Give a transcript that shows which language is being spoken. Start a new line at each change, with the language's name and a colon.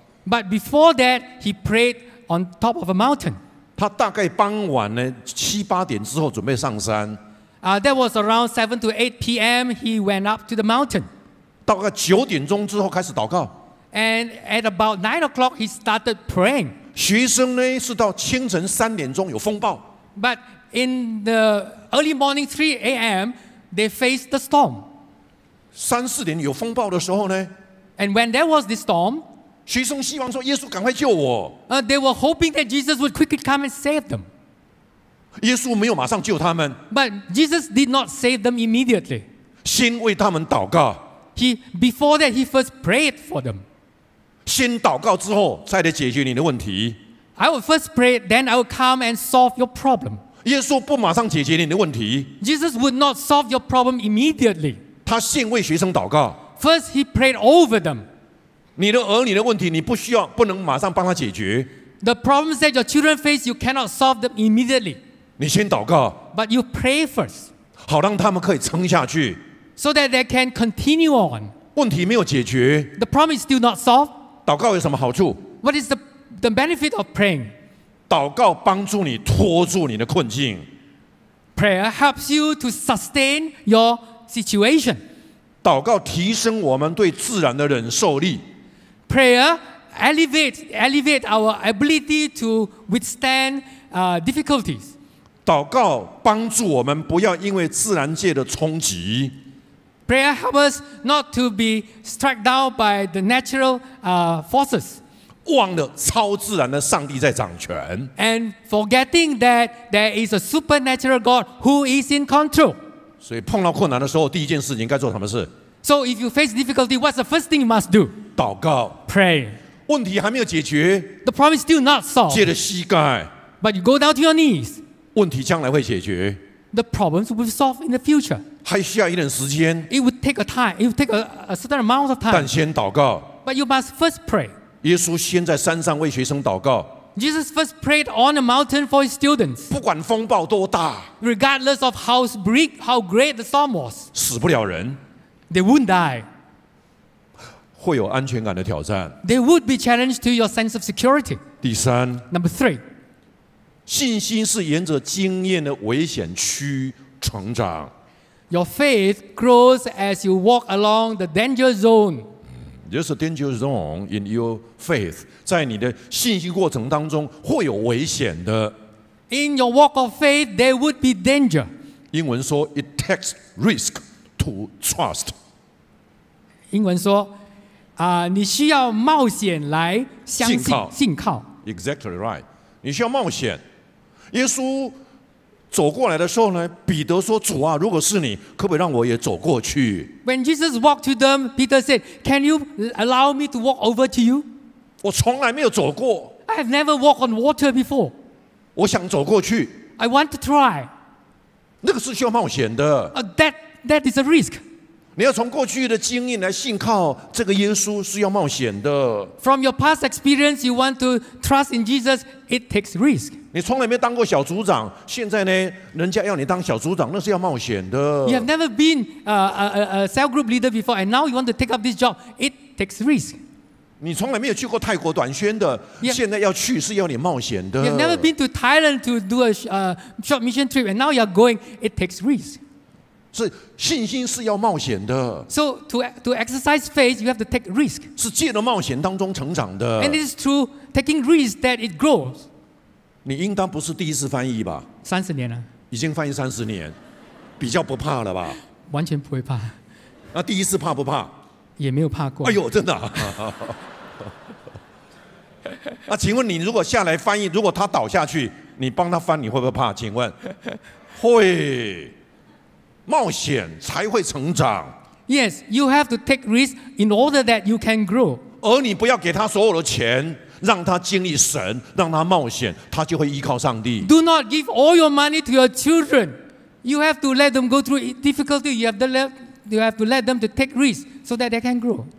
English: But before that, he prayed on top of a mountain.
Chinese: 他大概傍晚呢七八点之后准备上山。
English: That was around 7 to 8 p.m. He went up to the mountain.
Chinese: 大概九点钟之后开始祷告。
English: And at about 9 o'clock, he started praying.
Chinese: 学生呢是到清晨三点钟有风暴。
English: But in the early morning 3 a.m. they faced the storm.
Chinese: 三四点有风暴的时候呢
English: ？And when there was this storm,
Chinese: 学生希望说耶稣赶快救我。
English: They were hoping that Jesus would quickly come and save them.
Chinese: 耶稣没有马上救他们。
English: But Jesus did not save them immediately.
Chinese: 先为他们祷告。
English: Before that, he first prayed for them.
Chinese: 先祷告之后，再来解决你的问题。
English: I will first pray, then I will come and solve your problem.
Chinese: 耶稣不马上解决你的问题。
English: Jesus would not solve your problem immediately.
Chinese: 他先为学生祷告。
English: First, he prayed over them.
Chinese: 你的儿女的问题，你不需要，不能马上帮他解决。
English: The problems that your children face, you cannot solve them immediately.
Chinese: 你先祷告。
English: But you pray first.
Chinese: 好让他们可以撑下去。
English: So that they can continue on.
Chinese: 问题没有解决。
English: The problem is still not solved.
Chinese: 祷告有什么好处
English: ？What is the benefit of praying?
Chinese: 祷告帮助你拖住你的困境。
English: Prayer helps you to sustain your situation.
Chinese: 祷告提升我们对自然的忍受力。
English: Prayer elevate our ability to withstand difficulties.
Chinese: 祷告帮助我们不要因为自然界的冲击。
English: Prayer helps us not to be struck down by the natural forces.
Chinese: 忘了超自然的上帝在掌权。
English: And forgetting that there is a supernatural God who is in control.
Chinese: 所以碰到困难的时候，第一件事情该做什么事
English: ？So if you face difficulty, what's the first thing you must do?
Chinese: 祷告。
English: Pray.
Chinese: 问题还没有解决。
English: The problem is still not solved.
Chinese: 借着膝盖。
English: But you go down to your knees.
Chinese: 问题将来会解决。
English: The problems will be solved in the future.
Chinese: 还需要一点时间。
English: It would take a time. It would take a certain amount of time.
Chinese: 但先祷告。
English: But you must first pray.
Chinese: 耶稣先在山上为学生祷告。
English: Jesus first prayed on a mountain for his students.
Chinese: 不管风暴多大。
English: Regardless of how great the storm was.
Chinese: 死不了人。
English: They wouldn't die.
Chinese: 会有安全感的挑战。
English: They would be challenged to your sense of security.
Chinese: 第三。
English: Number three.
Chinese: 信心是沿着经验的危险区成长。
English: Your faith grows as you walk along the danger zone. There's a danger zone in your faith.
Chinese: 在你的信心过程当中会有危险的。
English: In your walk of faith, there would be danger.
Chinese: 英文说
English: ，It takes risk to trust.
Chinese: 英文说，你需要冒险来相信信靠。
English: Exactly right.
Chinese: 你需要冒险。耶稣走过来的时候呢，彼得说：“主啊，如果是你，可不可以让我也走过去
English: ？”When Jesus walked to them, Peter said, "Can you allow me to walk over to you?"
Chinese: 我从来没有走过。
English: I have never walked on water before.
Chinese: 我想走过去。
English: I want to try.
Chinese: 那个是需要冒险的。
English: That is a risk.
Chinese: 你要从过去的经验来信靠这个耶稣是要冒险的。
English: From your past experience, you want to trust in Jesus. It takes risk.
Chinese: 你从来没当过小组长，现在呢，人家要你当小组长，那是要冒险的。
English: You have never been a cell group leader before, and now you want to take up this job. It takes risk.
Chinese: 你从来没有去过泰国短宣的，现在要去是要你冒险的。
English: You have never been to Thailand to do a short mission trip, and now you are going. It takes risk.
Chinese: 是信心是要冒险的。
English: So to exercise faith, you have to take risk.
Chinese: 是借着冒险当中成长的。
English: And it is through taking risk that it grows.
Chinese: 你应当不是第一次翻译吧？三十年了，已经翻译三十年，比较不怕了吧？完全不会怕。那第一次怕不怕？也没有怕过。哎呦，真的、啊。那请问你，如果下来翻译，如果他倒下去，你帮他翻，你会不会怕？请问，会，冒险才会成长。
English: Yes, you have to take risk in order that you can grow.
Chinese: 而你不要给他所有的钱。让他经历神，让他冒险，他就会依靠上帝。
English: Do not give all your money to your children. You have to let them go through difficulty. You have to let them to take risks so that they can grow.